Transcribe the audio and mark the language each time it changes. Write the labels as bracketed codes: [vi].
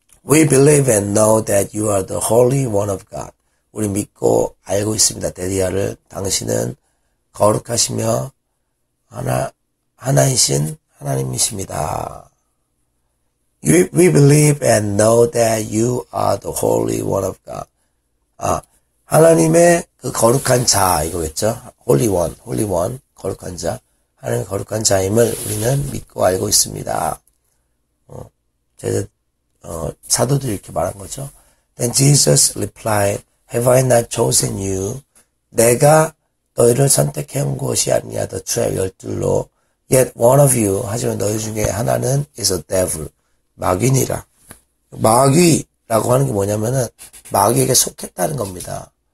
[en] We believe and know that you are the Holy One of God. [ko] 우리 믿고 알고 있습니다. 데디아를. 당신은 거룩하시며 하나이신 하나님이십니다. [en] We believe and know that you are the Holy One of God. [ko] 아, 하나님의 그 거룩한 자, 이거겠죠? [en] Holy One, Holy One, [ko] 거룩한 자. 하나님의 거룩한 자임을 우리는 믿고 알고 있습니다. 사도도 이렇게 말한 거죠. [en] Then Jesus replied, Have I not chosen you? [ko] 내가 너희를 선택해 온 것이 아니냐, the 12로. [en] Yet one of you, [ko] 하지만 너희 중에 하나는 [en] is a devil. [ko] 마귀니라. 마귀라고 하는 게 뭐냐면은 마귀에게 속했다는 겁니다.